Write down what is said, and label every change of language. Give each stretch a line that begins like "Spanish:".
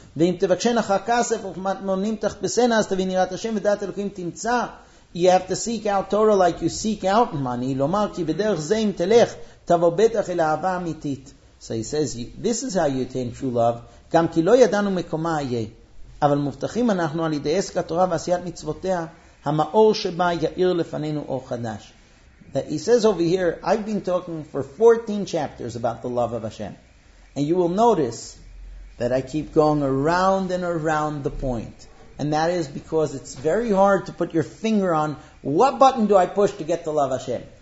Hebrew: ואם תבקשן אחר כסף ומתמונים תחפשן אז תבין יראת השם ודעת אלוקים תמצא.
English: You have to seek out Torah like you seek out money.
Hebrew: לומר כי בדרך זה אם תלך תבוא בטח אל אהבה אמיתית.
English: So he says, this is how you attain true love.
Hebrew: גם כי לא ידענו מקומה יהיה, אבל מובטחים אנחנו על ידי עסק התורה ועשיית מצוותיה, המאור שבא יאיר לפנינו אור חדש.
English: That he says over here, I've been talking for 14 chapters about the love of Hashem. And you will notice that I keep going around and around the point. And that is because it's very hard to put your finger on what button do I push to get the love of Hashem.